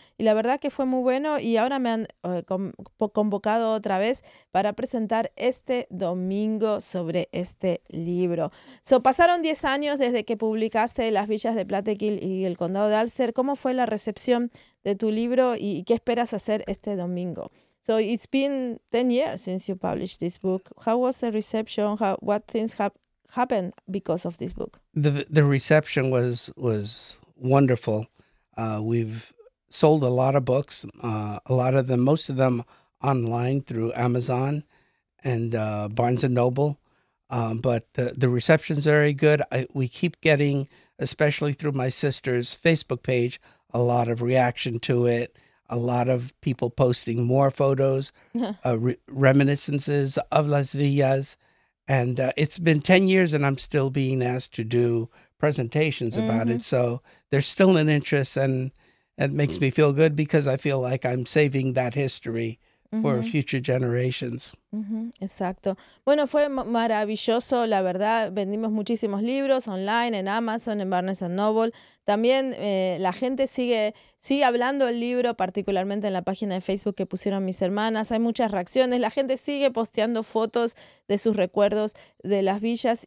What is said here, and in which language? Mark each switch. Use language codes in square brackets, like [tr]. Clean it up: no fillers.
[es] Y la verdad que fue muy bueno y ahora me han convocado otra vez para presentar este domingo sobre este libro. So, pasaron 10 años desde que publicaste Las Villas de Plattekill y El Condado de Alcer. ¿Cómo fue la recepción de tu libro y qué esperas hacer este domingo? [en] So it's been 10 years since you published this book. How was the reception? What things have happened because of this book? The reception was wonderful. We've sold a lot of books, a lot of them, most of them online through Amazon and Barnes & Noble. But the reception's very good. We keep getting, especially through my sister's Facebook page, a lot of reaction to it. A lot of people posting more photos, reminiscences of Las Villas. And it's been 10 years and I'm still being asked to do presentations about it. So there's still an interest and it makes me feel good because I feel like I'm saving that history for future generations. [es] Exacto. Bueno, fue maravilloso, la verdad. Vendimos muchísimos libros online, en Amazon, en Barnes & Noble. También la gente sigue hablando del libro, particularmente en la página de Facebook que pusieron mis hermanas. Hay muchas reacciones. La gente sigue posteando fotos de sus recuerdos de las villas.